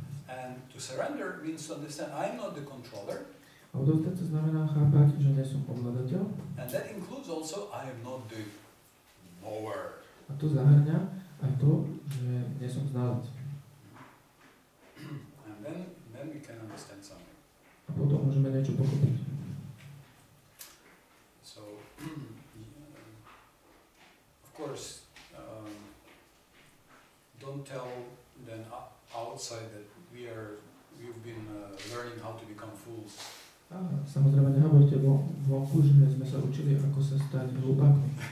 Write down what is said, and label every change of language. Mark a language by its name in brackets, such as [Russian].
[English] And to surrender means to understand I'm not the controller. [Slovak] A odovzdať sa znamená chápať, že nie som ovládateľ. [English] And that includes also I am not the knower. [Slovak] A to zahŕňa aj to, že nie som znalec. [English] And then we can understand something. [Slovak] A potom môžeme niečo pochopiť. [English] So of course don't tell then outside that we've been learning how to become fools. [Slovak] A samozrejme nehovorte vonku, že sme sa učili ako sa stať hlupákom.